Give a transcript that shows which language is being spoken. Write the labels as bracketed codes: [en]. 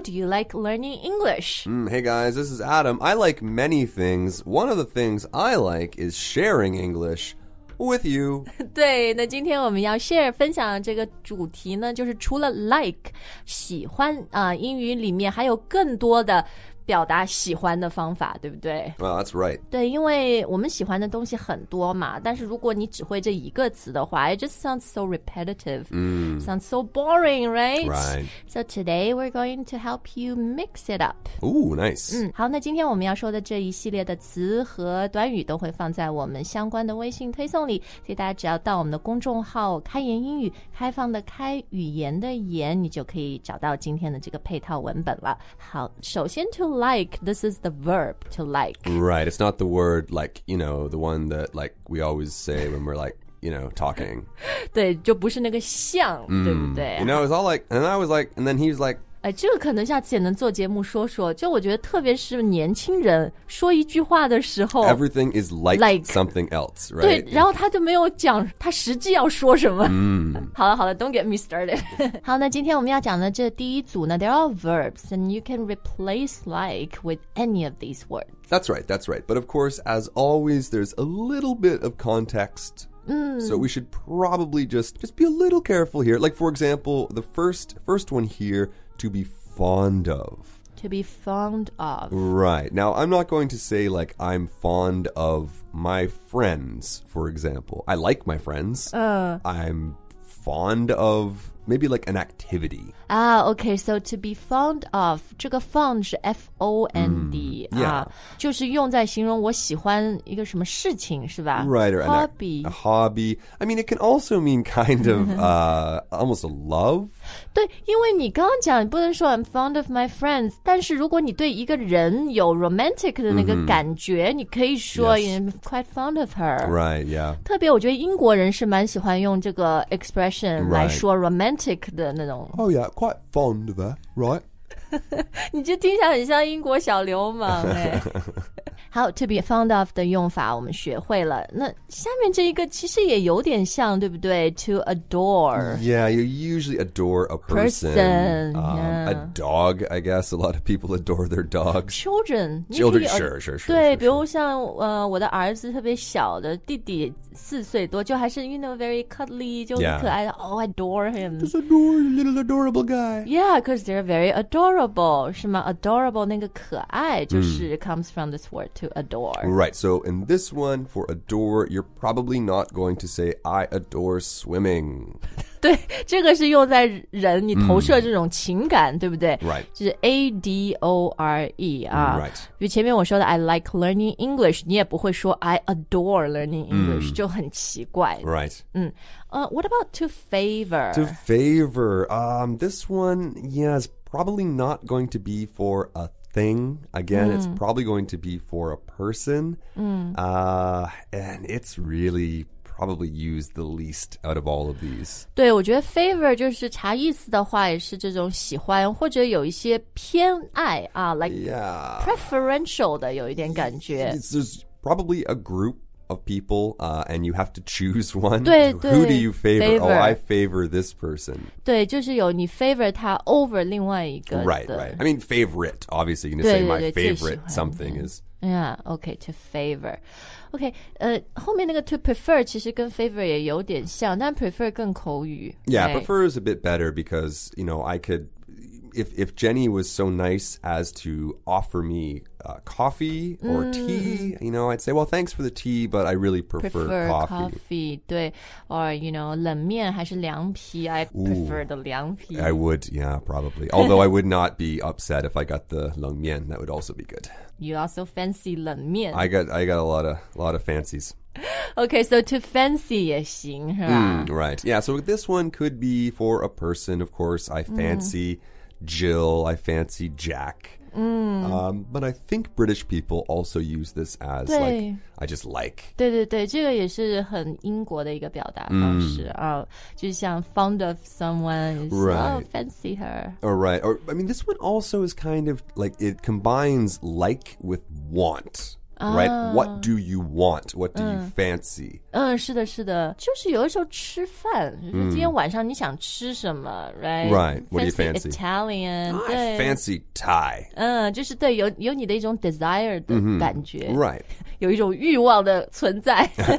[en] Do you like learning English? Hey guys, this is Adam. I like many things. One of the things I like is sharing English with you. [zh] 对，那今天我们要 share 分享这个主题呢，就是除了 like 喜欢啊，英语里面还有更多的表达喜欢的方法，对不对？ [en] Well, that's right. [zh] 对，因为我们喜欢的东西很多嘛，但是如果你只会这一个词的话， [en] it just sounds so repetitive. Sounds so boring, right? Right. So today we're going to help you mix it up. Ooh, nice. [zh] 好，那今天我们要说的这一系列的词和短语都会放在我们相关的微信推送里，所以大家只要到我们的公众号开言英语，开放的开，语言的言，你就可以找到今天的这个配套文本了。好，首先 [en] to like, this is the verb, to like. Right, it's not the word like, you know, the one that like we always say when we're like, you know, talking. [zh] 对，就不是那个像，对不对？ [en] You know, it's all like, and I was like, and then he was like, [zh] 哎，这个可能下次也能做节目说说，就我觉得特别是年轻人说一句话的时候， [en] everything is like something else, right? [zh] 对，然后他就没有讲他实际要说什么。好了好了， [en] don't get me started. [zh] 好，那今天我们要讲的这第一组呢， [en] they're all verbs, and you can replace like with any of these words. That's right, that's right. But of course, as always, there's a little bit of context. So we should probably just be a little careful here. Like, for example, the first one here, to be fond of. To be fond of. Right. Now, I'm not going to say, like, I'm fond of my friends, for example. I like my friends. I'm fond of... Maybe like an activity. Ah, okay. So to be fond of, [zh] 这个 fond 是 [en] F-O-N-D. Yeah. [zh] 就是用在形容我喜欢一个什么事情是吧 [en] Right. Or hobby. A hobby. I mean, it can also mean kind of, almost a love. [zh] 对，因为你刚刚讲，你不能说 [en] I'm fond of my friends. [zh] 但是如果你对一个人有 romantic 的那个感觉，你可以说 [en] I'm quite fond of her. Right, yeah. [zh] 特别我觉得英国人是蛮喜欢用这个 expression 来说 romantic 的那种。 [en] Oh yeah, quite fond of her, right? [zh] 你就听起来很像英国小流氓哎。好 ，to be fond of 的用法我们学会了。那下面这一个其实也有点像，对不对 ？To adore. [en] Yeah, you usually adore a person. Person, yeah. A dog, I guess. A lot of people adore their dogs. Children, sure. [zh] 对， [en] sure. [zh] 比如像我的儿子特别小的弟弟，四岁多，就还是 [en] you know very cuddly, [zh] 就很可爱的。 [en] Yeah. Oh, I adore him. Just adore a little adorable guy. Yeah, because they're very adorable. [zh] 是吗 [en] ？Adorable [zh] 那个可爱就是、 [en] comes from this word. To adore. Right, so in this one, for adore, you're probably not going to say, I adore swimming. [zh] 对，这个是用在人，你投射这种情感，对不对？ [en] Right. [zh] 就是 A-D-O-R-E, 啊。 [en] Right. [zh] 比前面我说的 [en] I like learning English, [zh] 你也不会说 [en] I adore learning English, [zh] 就很奇怪。 [en] Right. What about to favor? To favor, this one, yeah, is probably not going to be for a thing. Again, it's probably going to be for a person. And it's really probably used the least out of all of these. [zh] 对，我觉得 favor 就是查意思的话也是这种喜欢或者有一些偏爱啊 [en] like preferential [zh] 的有一点感觉。 [en] It's probably a group of people, and you have to choose one. [zh] 对对 [en] Who do you favor? Favor? Oh, I favor this person. [zh] 对，就是有你 favor 他 over 另外一个的。 [en] Right, right. I mean, favorite, obviously. You're going to say my favorite something is... Yeah, okay, to favor. [zh] Okay, 后面那个 to prefer 其实跟 favor 也有点像，但 prefer 更口语。 [en] Yeah, right? Prefer is a bit better because, you know, I could... If Jenny was so nice as to offer me coffee or tea, you know, I'd say, well, thanks for the tea, but I really prefer coffee. Coffee, [zh] 对 [en] or, you know, [zh] 冷面还是凉皮 [en] I prefer the 凉皮 I would, yeah, probably. Although I would not be upset if I got the 冷面. That would also be good. You also fancy 冷面. I got a lot of fancies. Okay, so to fancy [zh] 也行是吧 [en] Right. Yeah, so this one could be for a person, of course. I fancy... Jill, I fancy Jack. But I think British people also use this as like, I just like. [zh] 对对对，这个也是很英国的一个表达方式啊，就像 fond of someone, [en] right. Oh, fancy her. Oh, right. Or, I mean, this one also is kind of like, it combines like with want. right? What do you want? What do you fancy? [zh] 嗯，是的，是的，就是有的时候吃饭，就是今天晚上你想吃什么 ， [en] right? Right. What do you fancy? Italian. I fancy Thai. [zh] 嗯，就是对，有你的一种 desire 的感觉 [en] ，right? [zh] 有一种欲望的存在。